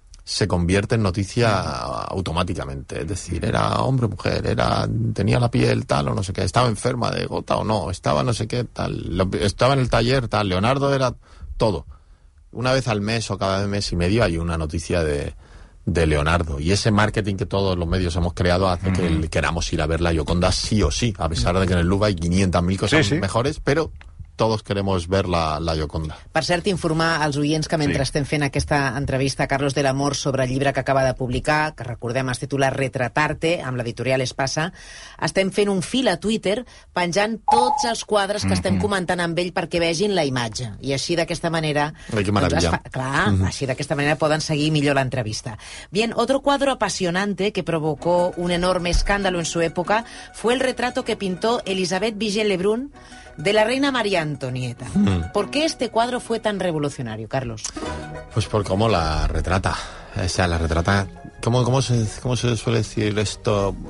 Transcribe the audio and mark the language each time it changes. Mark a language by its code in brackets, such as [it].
[es] se convierte en noticia automáticamente. Es decir, era hombre o mujer, era, tenía la piel tal o no sé qué, estaba enferma de gota o no, estaba no sé qué tal, lo, estaba en el taller tal, Leonardo era todo. Una vez al mes o cada mes y medio hay una noticia de Leonardo, y ese marketing que todos los medios hemos creado hace que queramos ir a ver la Gioconda sí o sí, a pesar de que en el Louvre hay 500.000 cosas mejores, pero todos queremos ver la Gioconda. [ca] Per cert, informar als oients que mentre estem fent aquesta entrevista a Carlos de l'Amor sobre el llibre que acaba de publicar, que recordem es titula Retratarte, amb l'editorial Espasa, estem fent un fil a Twitter penjant tots els quadres que estem comentant amb ell perquè vegin la imatge. I així d'aquesta manera... Ai, que meravella. Doncs, clar, així d'aquesta manera poden seguir millor l'entrevista. [es] Bien, otro cuadro apasionante que provocó un enorme escándalo en su época fue el retrato que pintó Elisabeth Vigée-Lebrun de la reina María Antonieta. ¿Por qué este cuadro fue tan revolucionario, Carlos? Pues por cómo la retrata. O sea, la retrata... ¿Cómo se suele decir esto?